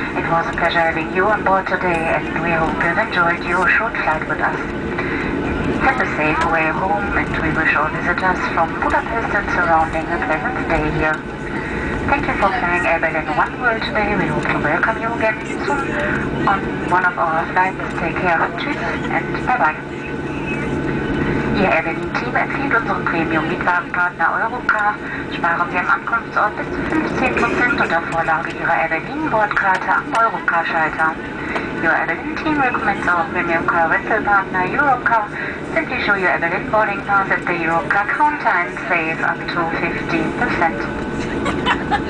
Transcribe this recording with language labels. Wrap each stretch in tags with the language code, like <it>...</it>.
<en>It was a pleasure having you on board today, and we hope you've enjoyed your short flight with us. Have a safe way home, and we wish all visitors from Budapest and surrounding a pleasant stay here. Thank you for flying Evelyn One World today. We hope to welcome you again soon on one of our flights. Take care, tschüss, and bye-bye.</en> <de>Ihr Evelyn-Team empfiehlt unseren Premium-Mietwagenpartner Eurocar. Sparen Sie am Ankunftsort bis zu 15% unter Vorlage Ihrer Evelyn-Bordkarte am Eurocar-Schalter.</de> <en>Your Evelyn-Team recommends our Premium-Car Rental Partner Eurocar. Simply show your Evelyn boarding pass at the Eurocar counter and save up to 15%.</en>